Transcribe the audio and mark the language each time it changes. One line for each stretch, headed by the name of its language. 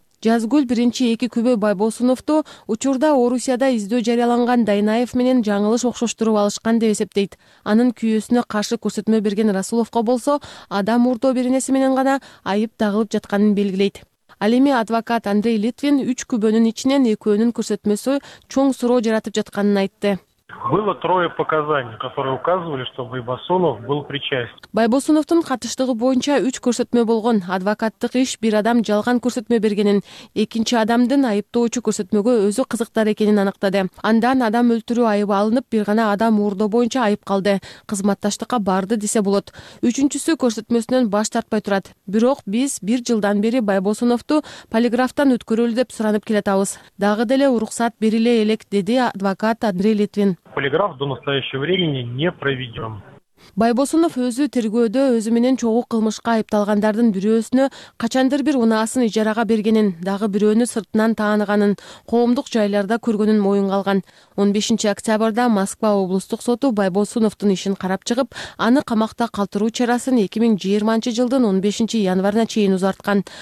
Kyrgyz: Жазгүл 1-2 күбө Байбосуновду учурда Орусияда издөө жарыяланган Дайнаев менен жаңылыш окшоштуруп алышкан деп эсептейт. Анын күйөөсүнө каршы көрсөтмө берген Расуловко болсо адам уурдоо беренеси менен гана айып тагылып жатканын белгилейт. Ал эми адвокат Андрей Литвин 3 күбөнүн ичинен экөөнүн көрсөтмөсү чоң суроо жаратып жатканын айтты.
Russian: Было трое показаний, которые указывали, что Байбосунов был причастен.
Kyrgyz: Байбосуновтун катыштыгы боюнча 3 көрсөтмө болгон. Адвокаттык иш бир адам жалган көрсөтмө бергенин, экинчи адамдын айыптоочу көрсөтмөгө өзү кызыктар экенин аныктады. Андан адам өлтүрүү айыбы алынып, бир гана адам уурдоо боюнча айып калды. Кызматташтыкка барды десе болот. Үчүнчүсү көрсөтмөсүнөн баш тартпай турат. Бирок биз бир жылдан бери Байбосуновту полиграфтан өткөрөлү деп суранып келатабыз. Дагы деле уруксат бериле элек, деди адвокат Андрей Литвин.
Russian: Полиграф до настоящего времени не проведен.
Kyrgyz: Байбосунов өзү тергөөдө өзү менен чогуу кылмышка айыпталгандардын бирөөсүнө качандыр бир унаасын ижарага бергенин, дагы бирөөнү сыртынан тааныганын, коомдук жайларда көргөнүн моюнга алган. 15 октябрда Москва облустук соту Байбосуновдун ишин карап чыгып, аны камакта калтыруу чарасын 2020 жылдын 15 январына чейин узарткан.